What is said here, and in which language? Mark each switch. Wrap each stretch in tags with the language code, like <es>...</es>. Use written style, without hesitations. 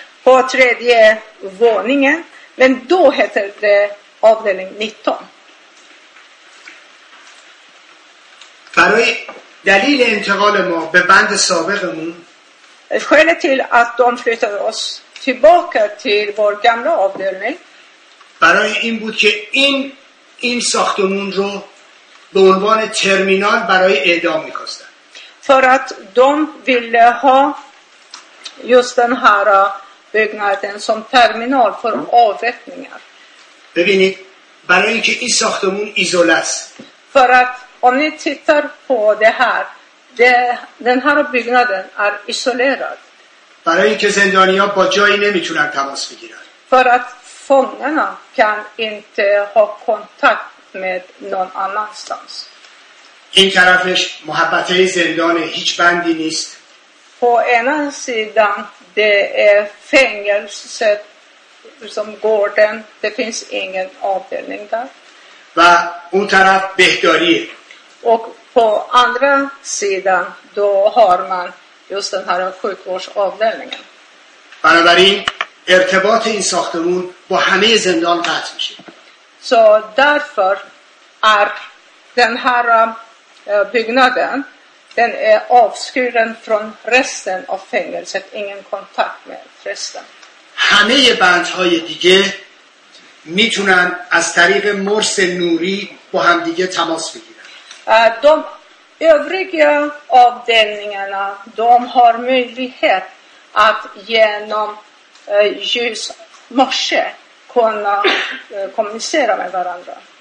<sv>På tredje våningen, men då hette det avdelning 19.</sv> <fa>برای دلیل انتقال ما به بند سابقمون</fa> <sv>skälet till att de flyttade oss tillbaka till vår gamla avdelning</sv> <fa>برای این بود که این ساختمون رو به عنوان ترمینال برای اعدام می‌خواستن.</fa> <sv>För att de ville ha just den här byggnaden som terminal för avrättningar.</sv> <fa>ببینید برای اینکه این ساختمون ایزوله است.</fa> <sv>För att om ni tittar på det här, den här byggnaden är isolerad.</sv> <fa>برای اینکه زندانی‌ها با جایی نمیتونن تماس بگیرن.</fa> <sv>För att fångarna kan inte ha kontakt med någon annanstans.</sv> <fa>این طرفش محبت زندان هیچ بندی نیست.</fa> <sv>På ena sidan det är fängelset som gården, det finns ingen avdelning där.</sv> <fa>و اون طرف بهداریه.</fa> <sv>Och på andra sidan då har man just den här sjukvårdsavdelningen.</sv> <fa>Bannabarin, ارتباط این ساختمون با همه زندان قطع میشه.</fa> <sv>Så därför är den här byggnaden den är avskuren från resten av fängelset, ingen kontakt med resten.</sv> <fa>همه بندهای دیگه میتونن از طریق مرس نوری با هم دیگه تماس بگیرن.</fa> <sv>De övriga avdelningarna, de har möjlighet att genom ljus morse kunna kommunicera med varandra.</sv>